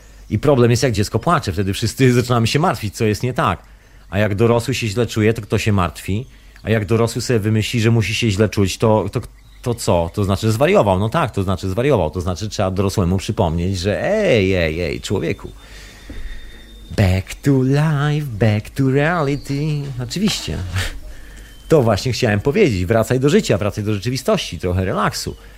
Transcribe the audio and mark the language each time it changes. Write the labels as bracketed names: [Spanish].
[Polish] I problem jest, jak dziecko płacze. Wtedy wszyscy zaczynamy się martwić, co jest nie tak. A jak dorosły się źle czuje, to kto się martwi? A jak dorosły sobie wymyśli, że musi się źle czuć, to co? To znaczy, że zwariował. No tak, to znaczy, że zwariował. To znaczy, trzeba dorosłemu przypomnieć, że ej, człowieku. [English] Back to life, back to reality. [Polish] Oczywiście. To właśnie chciałem powiedzieć. Wracaj do życia, wracaj do rzeczywistości. Trochę relaksu.